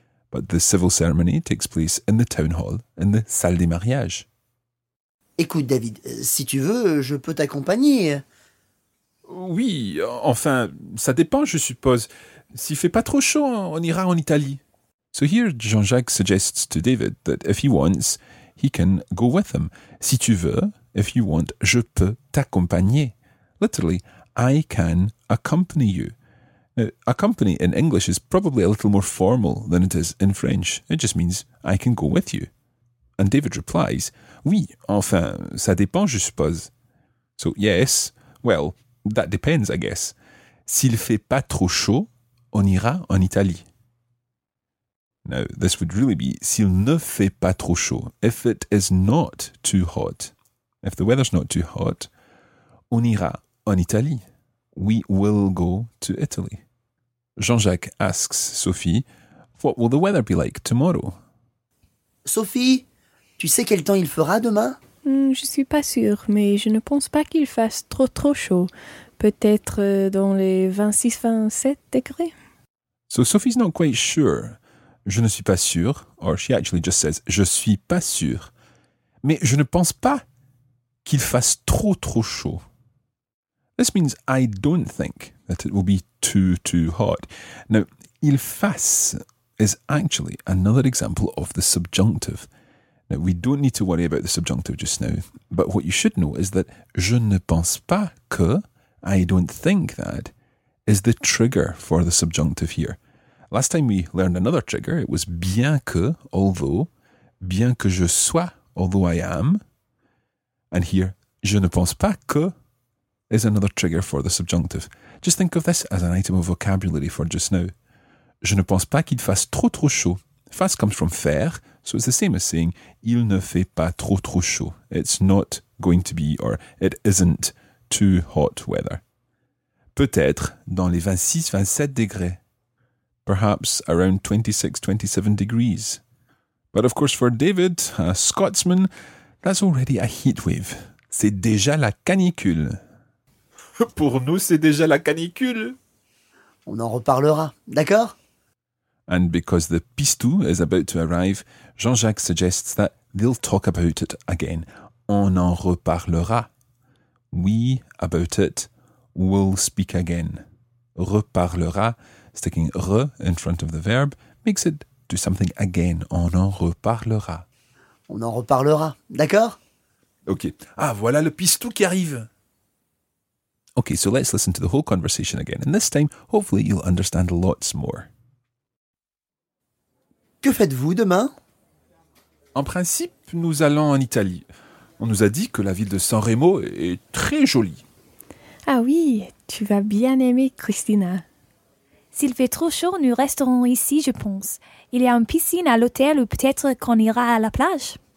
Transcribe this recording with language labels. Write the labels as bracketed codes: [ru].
[en] But the civil ceremony takes place in the town hall, in the salle des mariages. [fr] Écoute, David, si tu veux, je peux t'accompagner. Oui, enfin, ça dépend, je suppose. S'il fait pas trop chaud, on ira en Italie. [en] So here, Jean-Jacques suggests to David that if he wants, he can go with him. [fr] Si tu veux, [en] if you want, [fr] je peux t'accompagner. [en] Literally, I can accompany you. Accompany in English is probably a little more formal than it is in French. It just means I can go with you. And David replies, [fr] oui, enfin, ça dépend, je suppose. [en] So, yes, well, that depends, I guess. [fr] S'il fait pas trop chaud, on ira en Italie. [en] Now, this would really be [fr] s'il ne fait pas trop chaud, [en] if it is not too hot. If the weather's not too hot, [fr] on ira en Italie. [en] We will go to Italy. Jean-Jacques asks Sophie, what will the weather be like tomorrow? [fr] Sophie, tu sais quel temps il fera demain? Je suis pas sûre, mais je ne pense pas qu'il fasse trop chaud. Peut-être dans les 26-27 degrés. [en] So Sophie's not quite sure. [fr] Je ne suis pas sûre, [en] or she actually just says, [fr] je suis pas sûre. Mais je ne pense pas qu'il fasse trop chaud. [en] This means I don't think that it will be too hot. Now, il fasse is actually another example of the subjunctive. Now, we don't need to worry about the subjunctive just now, but what you should know is that [fr] je ne pense pas que, [en] I don't think that, is the trigger for the subjunctive here. Last time we learned another trigger, it was [fr] bien que, [en] although, [fr] bien que je sois, [en] although I am. And here, [fr] je ne pense pas que [en] is another trigger for the subjunctive. Just think of this as an item of vocabulary for just now. [fr] Je ne pense pas qu'il fasse trop chaud. [en] Fasse comes from faire, so it's the same as saying [fr] il ne fait pas trop chaud. [en] It's not going to be, or it isn't, too hot weather. [fr] Peut-être dans les 26-27 degrés. [en] Perhaps around 26-27 degrees. But of course for David, a Scotsman, that's already a heat wave. [fr] C'est déjà la canicule. Pour nous, c'est déjà la canicule. On en reparlera, d'accord? [en] And because the pistou is about to arrive, Jean-Jacques suggests that they'll talk about it again. [fr] On en reparlera. [en] We, about it, will speak again. Reparlera, sticking re in front of the verb, makes it do something again. [fr] On en reparlera. On en reparlera, d'accord? Ok. Ah, voilà le pistou qui arrive. [en] Ok, so let's listen to the whole conversation again. And this time, hopefully, you'll understand lots more. [fr] Que faites-vous demain? En principe, nous allons en Italie. On nous a dit que la ville de San Remo est très jolie. Ah oui, tu vas bien aimer, Christina. S'il fait trop chaud, nous resterons ici, je pense. Il y a une piscine à l'hôtel ou peut-être qu'on ira à la plage.